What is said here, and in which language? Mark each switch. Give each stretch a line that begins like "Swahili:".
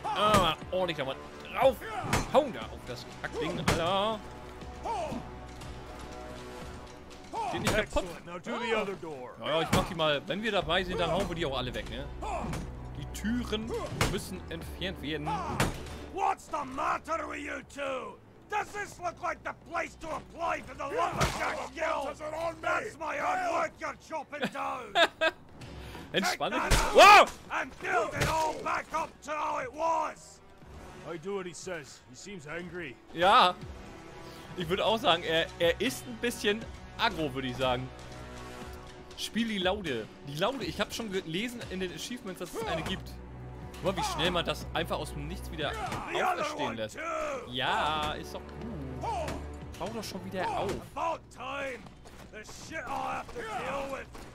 German: Ah, ordentlich nochmal drauf. Hauen da auf das Kackding, Alter. Geht nicht kaputt.
English: Now do the other door.
German: Naja, ich mach die mal. Wenn wir dabei sind, dann hauen wir die auch alle weg, ne? Die Türen müssen entfernt werden.
English: What's the matter with you two? Does this look like the place to apply for the Lumberjack Guild? That's my own work you're chopping down.
German: Entspannen.
English: Wow! And build it all back up to how it was. I do what he says. He seems angry.
German: Ja. Ich würde auch sagen, er ist ein bisschen aggro, würde ich sagen. Spiel die Laude. Die Laude. Ich habe schon gelesen in den Achievements, dass es eine gibt. Guck mal, wie schnell man das einfach aus dem Nichts wieder auferstehen lässt. Ja, ist doch gut. Bau doch schon wieder auf.
English: About time. The shit I'll have to deal with.